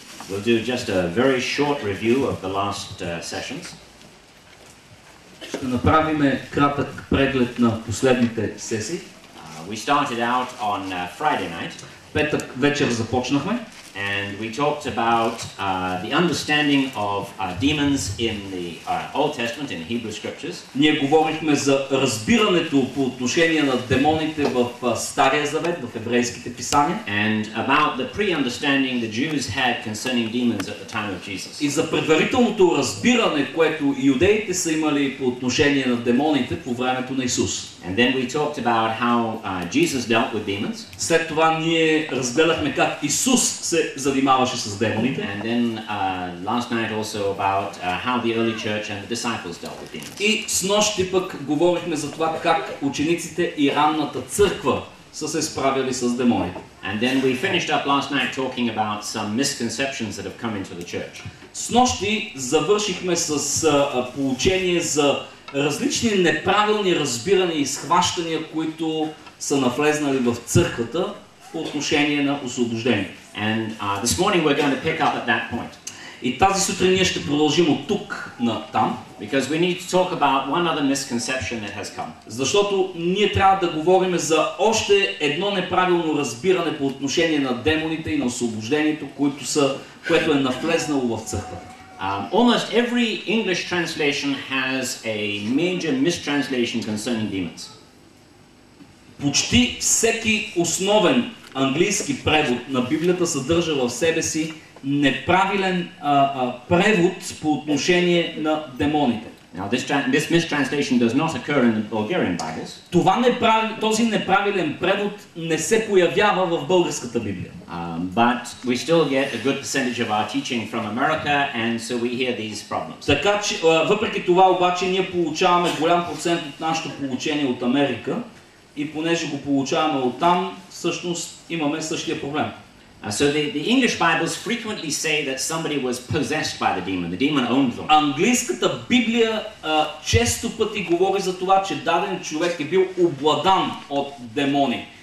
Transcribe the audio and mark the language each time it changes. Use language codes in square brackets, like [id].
[en] We'll do just a very short review of the last sessions. [bg] Ще направим кратък преглед на последните сесии. [en] We started out on Friday night. [bg] Петък вечер започнахме. [en] And we talked about the understanding of demons in the Old Testament, in Hebrew scriptures. [bg] Ние говорихме за разбирането по отношение на демоните в Стария Завет, в еврейските писания. [en] And about the pre-understanding the Jews had concerning demons at the time of Jesus. [bg] И за предварителното разбиране, което юдеите са имали по отношение на демоните по времето на Исус. [en] And then we talked about how Jesus dealt with demons. [bg] След това ние разгледахме как Исус се занимаваше с демоните. [en] And then last night also about how the early church and the disciples dealt with demons. [bg] И снощи пък говорихме за това как учениците и ранната църква са се справили с демоните. [en] And then we finished up last night talking about some misconceptions that have come into the church. [bg] Снощи завършихме с поучение за различни неправилни разбирания и схващания, които са навлезнали в църквата по отношение на освобождение. [en] And this morning we're going to pick up at that point. [bg] И тази сутрин ние ще продължим от тук на там, [en] because we need to talk about one other misconception that has come. [bg] Защото ние трябва да говорим за още едно неправилно разбиране по отношение на демоните и на освобождението, което е навлезнало в църквата. [en] Almost every English translation has a major mistranslation concerning demons. [bg] Почти всеки основен английски превод на Библията съдържа в себе си неправилен превод по отношение на демоните. [en] Now this mistranslation does not occur in the Bulgarian Bibles. [bg] Този неправилен превод не се появява в българската Библия. [en] But we still get a good percentage of our teaching from America, and so we hear these problems. [bg] Така че въпреки това обаче ние получаваме голям процент от нашето получение от Америка и понеже го получаваме оттам, всъщност имаме същия проблем. [en] So the English Bibles frequently say that somebody was possessed by the demon. The demon owned them. [bg] Английската Библия често пъти говори за това, че даден човек е бил обладан от демони.